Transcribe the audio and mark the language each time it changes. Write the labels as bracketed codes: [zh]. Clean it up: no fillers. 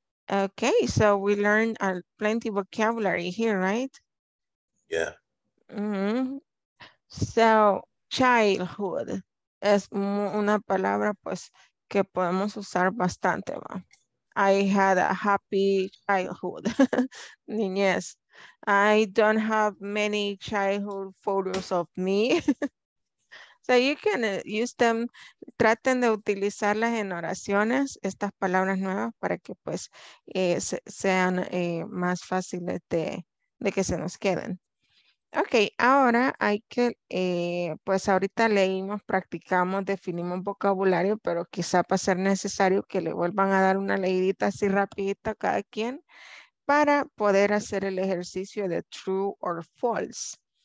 [en] Ok, so we learned plenty of vocabulary here, right? Yeah. Mm-hmm. [es] So, childhood es una palabra pues que podemos usar bastante. ¿No? [en] I had a happy childhood. Niñez. I don't have many childhood photos of me. So you can use them. [es] Traten de utilizarlas en oraciones, estas palabras nuevas para que pues sean más fáciles de que se nos queden. Ok, ahora hay que, pues ahorita leímos, practicamos, definimos vocabulario, pero quizá va a ser necesario que le vuelvan a dar una leidita así rapidito a cada quien para poder hacer el ejercicio de true or false.